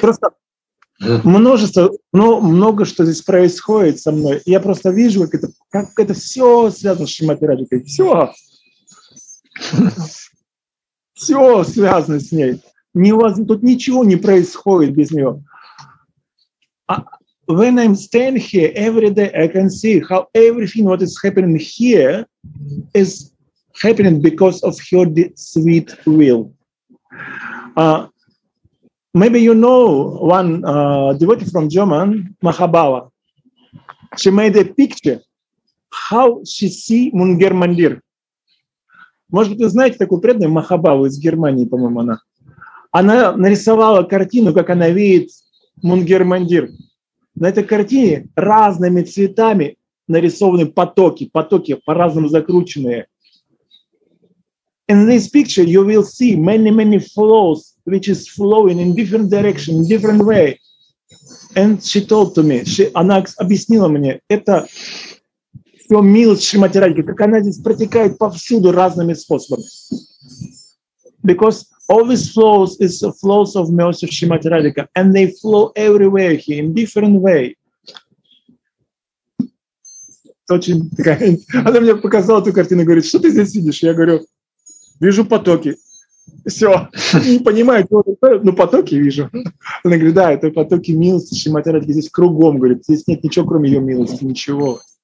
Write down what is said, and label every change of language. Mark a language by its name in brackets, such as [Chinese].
[Russian] Просто множество, но много что здесь происходит со мной. Я просто вижу, как это все связано с Шримати Радхикой. Все. Все связано с ней. Тут ничего не происходит без нее. [English] When I'm standing here every day, I can see how everything what is happening here is happening because of her sweet will. Maybe you know one devotee from German, Mahabhava. She made a picture how she see Munger Mandir. [Russian] Может быть, вы знаете такую преданную Махабаву из Германии, по-моему, она. Она нарисовала картину, как она видит Мунгер Мандир. На этой картине разными цветами нарисованы потоки, потоки по-разному закрученные. [English] In this picture you will see many, many flows, which is flowing in different direction, in different way. And she told to me, [Russian] она объяснила мне, это все милость Шримати Радхи, как она здесь протекает повсюду разными способами. [English] because all these flows is the flows of mercy of Srimati Radhika, and they flow everywhere here in different way. [Russian] Очень такая. Она мне показала эту картину, говорит, что ты здесь видишь? Я говорю, вижу потоки. Все, не понимаю, но потоки вижу. Она говорит, да, это потоки милости Шримати Радхи. Здесь кругом, говорит, здесь нет ничего, кроме ее милости, ничего.